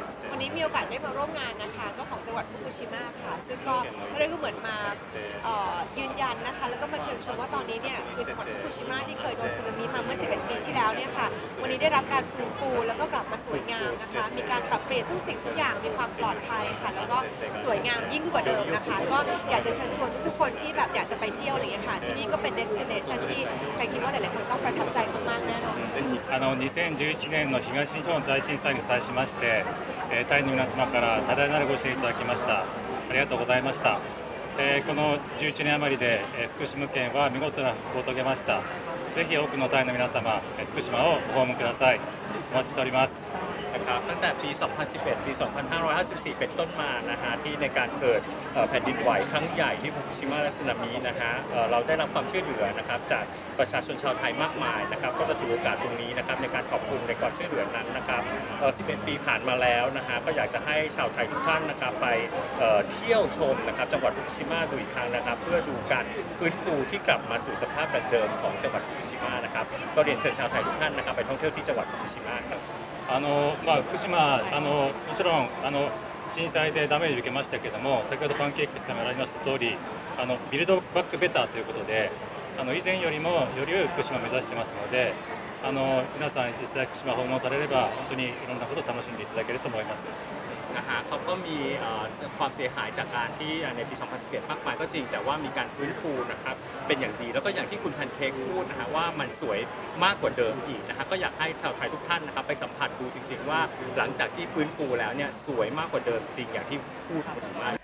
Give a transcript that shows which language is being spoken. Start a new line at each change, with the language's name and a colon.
Thai: วันนี้มีโอกาสได้มาร่วมงานนะคะก็ของจังหวัดฟุกุชิมะค่ะซึ่งก็เรียกว่าเหมือนมายืนยันนะคะแล้วก็มาเชิญชวนว่าตอนนี้เนี่ยคือจังหวัดฟุกุชิมะที่เคยโดนสึนามิมาเมื่อ11ปีที่แล้วเนี่ยค่ะวันนี้ได้รับการฟื้นฟูแล้วก็กลับมาสวยงามนะคะมีการปรับเปลี่ยนทุกสิ่งทุกอย่างมีความปลอดภัยค่ะแล้วก็สวยงามยิ่งกว่าเดิมนะคะก็อยากจะเชิญชวนทุกคนที่แบบอยากจะไปเที่ยวอะไรอย่างเงี้ยค่ะที่นี่ก็เป็นเดสติเนชั่นที่ใครคิดว่าหลายๆคนต้องประทับใจมากๆแน่นอน
Japanese: あの2011年の東日本大震災に際しまして、大変皆様から多大なるご支援いただきましたありがとうございました。この11年余りで、福島県は見事な復興を遂げました。ぜひ多くのタイの皆様、福島を訪問ください。お待ちしております
Thai: ตั้งแต่ปี2011ปี2554เป็นต้นมานะฮะที่ในการเกิดแผ่นดินไหวครั้งใหญ่ที่ฟุกุชิมะและสึนามินะฮะเราได้รับความช่วยเหลือนะครับจากประชาชนชาวไทยมากมายนะครับก็จะถือโอกาสตรงนี้นะครับในการขอบคุณในความช่วยเหลือนั้นนะครับ11ปีผ่านมาแล้วนะฮะก็อยากจะให้ชาวไทยทุกท่านนะครับไปเที่ยวชมนะครับจังหวัดฟุกุชิมะดูอีกครั้งนะครับเพื่อดูการฟื้นฟูที่กลับมาสู่สภาพเดิมของจังหวัดฟุกุชิมะนะครับก็เรียนเชิญชาวไทยทุกท่านนะครับไปท่องเที่ยวที่จังหวัดฟุกุชิมะครับ
Japanese: まあ、福島もちろん震災でダメージ受けましたけども、先ほどパンケーキさんがありました通り、ビルドバックベターということで、以前よりもより良い福島を目指してますので、皆さん実際福島訪問されれば本当にいろんなことを楽しんでいただけると思います。
Thai: เขาก็มีความเสียหายจากการที่ในปี2011มากมายก็จริงแต่ว่ามีการฟื้นฟูนะครับเป็นอย่างดีแล้วก็อย่างที่คุณแพนเค้กพูดนะฮะว่ามันสวยมากกว่าเดิมอีกนะฮะก็อยากให้ชาวไทยทุกท่านนะครับไปสัมผัสดูจริงๆว่าหลังจากที่ฟื้นฟูแล้วเนี่ยสวยมากกว่าเดิมจริงอย่างที่พูดมา